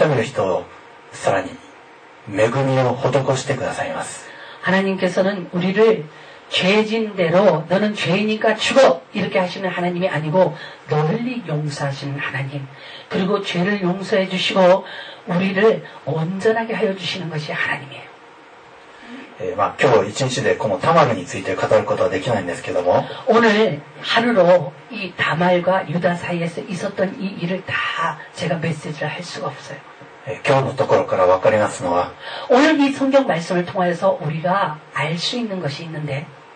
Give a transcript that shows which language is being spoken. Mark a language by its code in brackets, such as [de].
[ja] 神は人をその罪に従ってあしらわず、かえって神様に救いを求めてくる人、悔い改める人をさらに 恵みを施してくださいます. [ko] 하나님께서는 우리를 죄진대로 너는 죄인이니까 죽어 이렇게 하시는 하나님이 아니고 널리 용서하시는 하나님, 그리고 죄를 용서해 주시고 우리를 온전하게 하여 주시는 것이 하나님이에요. [ja] 今日一日でこのタマルについて語ることはできないんですけども [ko] 오늘 하루로 이 다말과 유다 사이에서 있었던 이 일을 다 제가 메시지를 할 수가 없어요. [ja] 今日のところから分かりますのは [ko] 오늘 이 성경 말씀을 통해서 우리가 알 수 있는 것이 있는데